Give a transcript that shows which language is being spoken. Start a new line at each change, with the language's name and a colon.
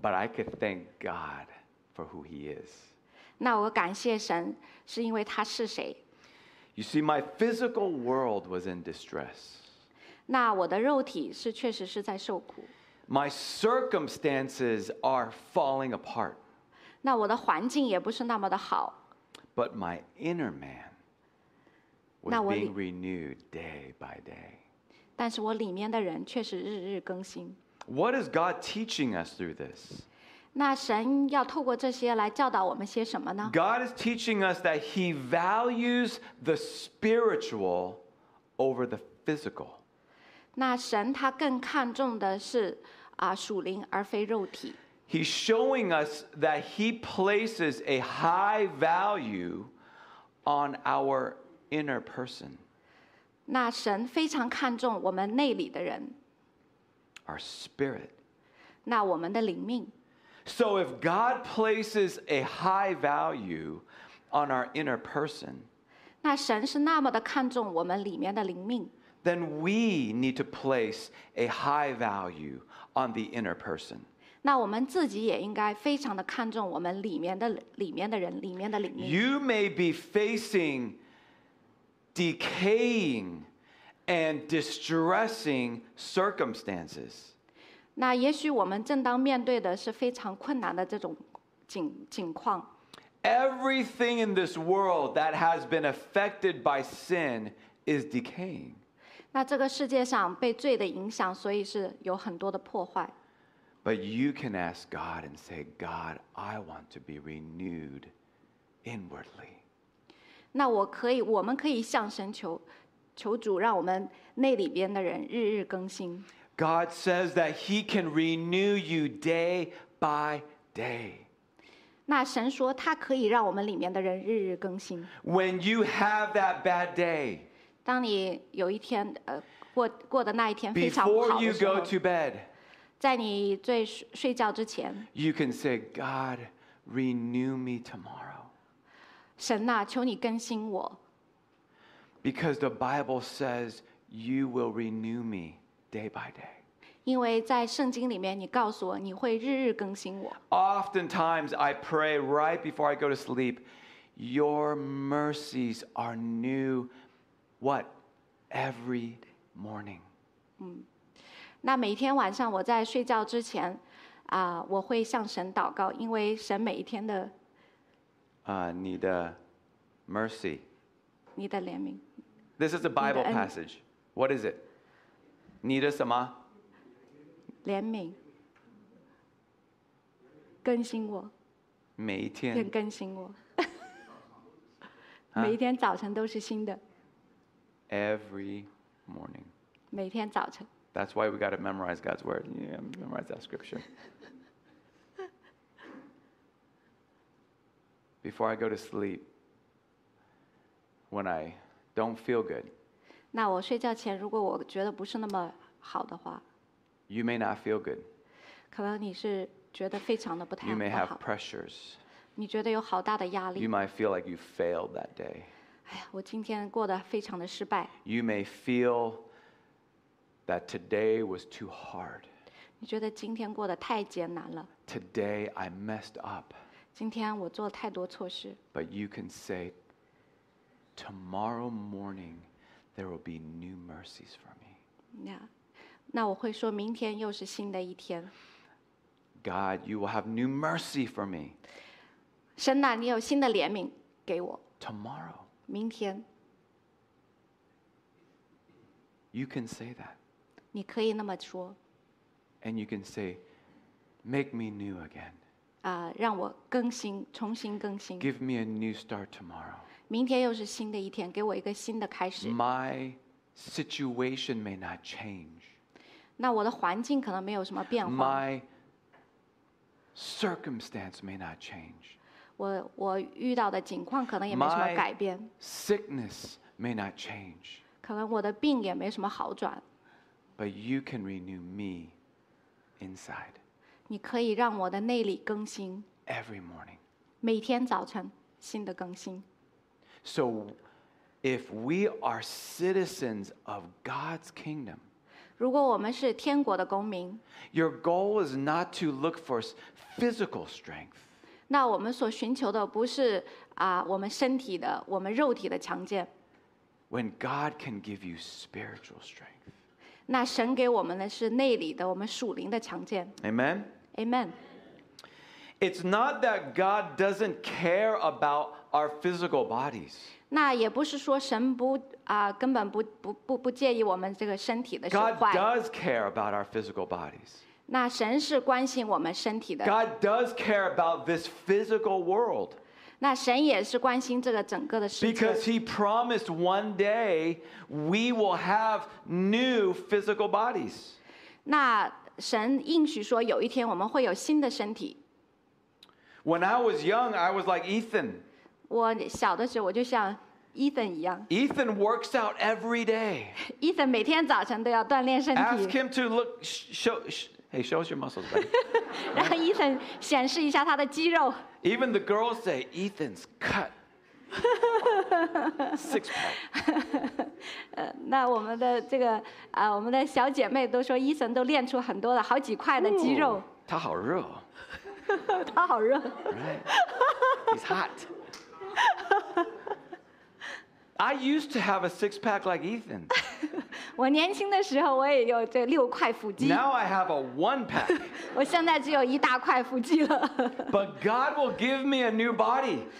English: But I could thank God for who He is.
Chinese: 那我感谢神，是因为他是谁。
English: You see, my physical world was in distress.
Chinese: 那我的肉体是确实是在受苦。
English: My circumstances are falling apart.
Chinese: 那我的环境也不是那么的好。
English: But my inner man was being renewed day by day.
Chinese: 但是我里面的人确实日日更新。
English: What is God teaching us through this?
Chinese: 那神要透过这些来教导我们些什么呢？
English: God is teaching us that He values the spiritual over the physical.
Chinese: 那神他更看重的是属灵而非肉体。
English: He's showing us that He places a high value on our inner person.
Chinese: 那神非常看重我们内里的人。
English: Our spirit.
Chinese: 那我们的灵命。
English: So if God places a high value on our inner person,
Chinese: 那神是那么的看重我们里面的灵命。
English: Then we need to place a high value on the inner person.
Chinese: 那我们自己也应该非常的看重我们里面的人，里面的灵命。
English: You may be facing decaying and distressing circumstances.
Chinese: 那也许我们正当面对的是非常困难的这种情况。
English: Everything in this world that has been affected by sin is decaying.
Chinese: 那这个世界上被罪的影响，所以是有很多的破坏。
English: But you can ask God and say, God, I want to be renewed inwardly.
Chinese: 那我们可以向神求主，让我们内里边的人日日更新。
English: God says that He can renew you day by day.
Chinese: 那神说他可以让我们里面的人日日更新。
English: When you have that bad day,
Chinese: 当你有一天过的那一天非常不好的时候，
English: before you go to bed,
Chinese: 在你睡觉之前，
English: you can say, God, renew me tomorrow.
Chinese: 神呐，求你更新我。
English: Because the Bible says you will renew me. Day by day.
Chinese: 因为在圣经里面，你告诉我你会日日更新我。
English: Oftentimes I pray right before I go to sleep, Your mercies are new, what? Every morning.
Chinese: 那每天晚上我在睡觉之前，我会向神祷告，因为神每一天的，你的 mercy, 你的怜悯。
English: This is a Bible passage. What is it?
Chinese: 你的什么？怜悯，更新我。每一天更新我。每一天早晨都是新的。
English: Every morning.
Chinese: 每天早晨。
English: That's why we got to memorize God's word. Yeah, memorize that scripture. Before I go to sleep, when I don't feel good.
Chinese: 那我睡觉前，如果我觉得不是那么。
English: You may not feel good.
Chinese: 可能你是觉得非常的不太好。
English: You may have pressures.
Chinese: 你觉得有好大的压力。
English: You might feel like you failed that day.
Chinese: 哎呀，我今天过得非常的失败。
English: You may feel that today was too hard.
Chinese: 你觉得今天过得太艰难了。
English: Today I messed up.
Chinese: 今天我做了太多错事。
English: But you can say, tomorrow morning there will be new mercies for me. Yeah.
Chinese: 那我会说明天又是新的一天。
English: God, you will have new mercy for me.
Chinese: 神哪，你有新的怜悯给我。
English: Tomorrow.
Chinese: 明天。
English: You can say that.
Chinese: 你可以那么说。
English: And you can say, make me new again.
Chinese: 让我更新，重新更新。
English: Give me a new start tomorrow.
Chinese: 明天又是新的一天，给我一个新的开始。
English: My situation may not change.
Chinese: 那我的环境可能没有什么变化。
English: My circumstance may not change.
Chinese: 我遇到的境况可能也没什么改变。
English: My sickness may not change.
Chinese: 可能我的病也没什么好转。
English: But you can renew me inside.
Chinese: 你可以让我的内里更新。
English: Every morning.
Chinese: 每天早晨新的更新。
English: So, if we are citizens of God's kingdom,
Chinese: 如果我们是天国的公民,
English: your goal is not to look for physical strength.
Chinese: 那我们所寻求的不是啊，我们身体的，我们肉体的强健。
English: When God can give you spiritual strength.
Chinese: 那神给我们的是内里的，我们属灵的强健。
English: Amen. Amen. It's not that God doesn't care about our physical bodies.
Chinese: 那也不是说神不啊，根本不介意我们这个身体的损坏。
English: God does care about our physical bodies.
Chinese: 那神是关心我们身体的。
English: God does care about this physical world.
Chinese: 那神也是关心这个整个的世界。
English: Because He promised one day we will have new physical bodies.
Chinese: 那神应许说有一天我们会有新的身体。
English: When I was young, I was like Ethan.
Chinese: 我小的时候我就像 Ethan 一样。
English: Ethan works out every day.
Chinese: Ethan 每天早晨都要锻炼身体。
English: Ask him to look, show us your muscles, buddy.
Chinese: 让 Ethan 显示一下他的肌肉。
English: Even the girls say Ethan's cut. Six pack.
Chinese: 那我们的这个啊，我们的小姐妹都说 Ethan 都练出很多了，好几块的肌肉。 Ooh, 他好热。他好热。
English: He's hot. I used to have a six-pack like Ethan.
Chinese: 我年轻的时候我也有这六块腹肌。
English: Now I have a one-pack.
Chinese: 我现在只有一大块腹肌了。
English: But God will give me a new body.